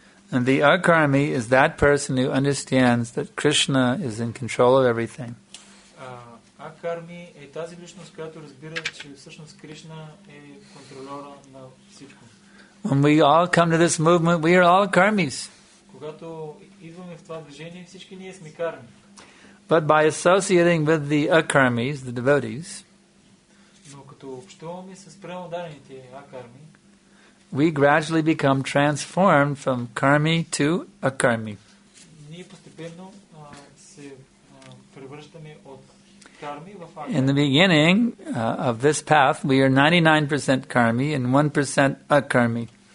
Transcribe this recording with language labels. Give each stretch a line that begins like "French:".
English: And the Akarmi is that person who understands that Krishna is in control of everything.
Bulgarian: Акарми е тази личност, която разбира, че всъщност Кришна е контролера на всичко.
English: When we all come to this movement, we are all karmis.
Bulgarian: Когато идваме в това движение, всички ние сме карми.
English: But by associating with the Акармис, the devotees,
Bulgarian: но като общуваме с преодарените Акарми,
English: we gradually become transformed from Karmi to Акарми.
Bulgarian: Ние постепенно се превръщаме от
English: In the beginning of this path, we are 99% karmi and 1% akarmi.